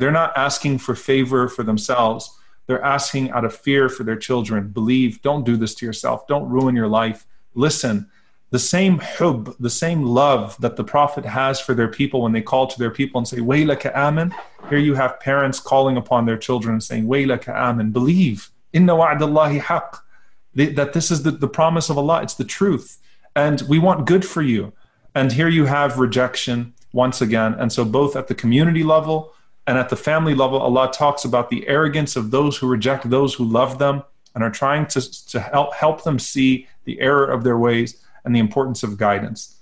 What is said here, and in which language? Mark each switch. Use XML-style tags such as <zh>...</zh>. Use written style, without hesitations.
<en>They're not asking for favor for themselves. They're asking out of fear for their children. Believe, don't do this to yourself. Don't ruin your life. Listen, the same hub, the same love that the Prophet has for their people when they call to their people and say,</en> <ar>وَيْلَكَ آمِنْ.</ar> <en>Here you have parents calling upon their children and saying,</en> <ar>وَيْلَكَ آمِنْ.</ar> <en>Believe,</en> <ar>إِنَّ وَعْدَ اللَّهِ حَقٍّ.</ar> <en>That this is the promise of Allah. It's the truth. And we want good for you. And here you have rejection once again. And so both at the community level and at the family level, Allah talks about the arrogance of those who reject those who love them and are trying to help them see the error of their ways and the importance of guidance.</en>